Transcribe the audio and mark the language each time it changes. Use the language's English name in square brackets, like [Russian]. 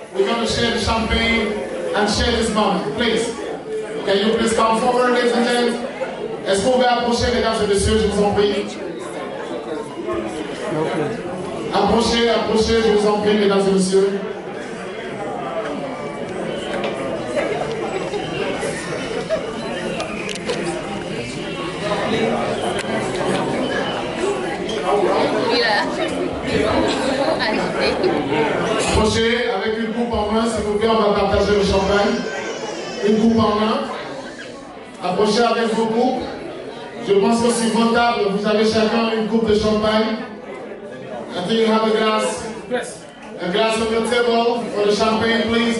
[English] We're going to share the champagne and share this moment. Please, can you please come forward, ladies and gentlemen? [French] Est-ce qu'on peut approcher, mesdames et messieurs, je vous en prie? Approchez, approchez, je vous en prie, mesdames et messieurs. Approchez avec une coupe en main, s'il vous plaît, on va partager le champagne. Une coupe en main. Approchez avec vos coupes. Je pense que sur vos tables, vous avez chacun une coupe de champagne. [English] I think you have a glass. Yes. A glass on your table for the champagne, please.